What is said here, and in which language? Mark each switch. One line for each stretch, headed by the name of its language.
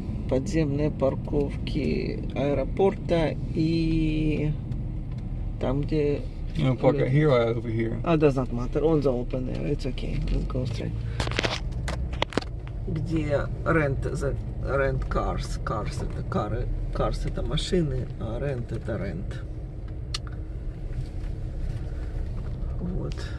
Russian: Подземные парковки аэропорта и там, где...
English: You know, park it here or over here. Oh, it does not matter. One's open there. It's okay. Let's go straight.
Russian: Где
English: rent the rent cars?
Russian: Cars это кары. Cars это машины, а rent это rent. Вот.